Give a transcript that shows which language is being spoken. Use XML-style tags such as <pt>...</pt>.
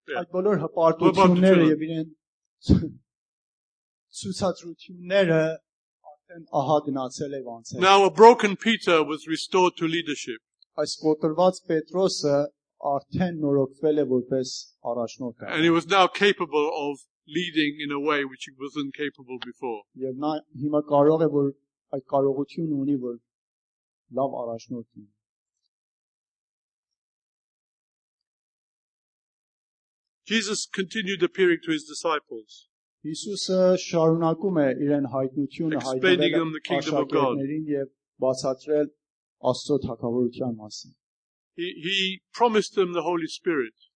<hy>Այդ բոլոր հպարտությունները եւ իրեն ցուցադրությունները արդեն ահա գնացել եւ անցել։</hy> <en>Now a broken Peter was restored to leadership.</en> <hy>Այս կոտրված Պետրոսը արդեն նորոգվել է որպես առաջնորդ։</hy> <en>And he was now capable of leading in a way which he wasn't capable before.</en> <hy>Եվ նա հիմա կարող է որ այդ կարողությունն ունի որ լավ առաջնորդ լինի։</hy> <en>Jesus continued appearing to his disciples.</en> <hy>Հիսուսը շարունակում է իրեն հայտնությունը հայտնել աշակերտներին եւ բացատրել Աստծո թագավորության մասին։</hy> <en>He promised them the Holy Spirit.</en>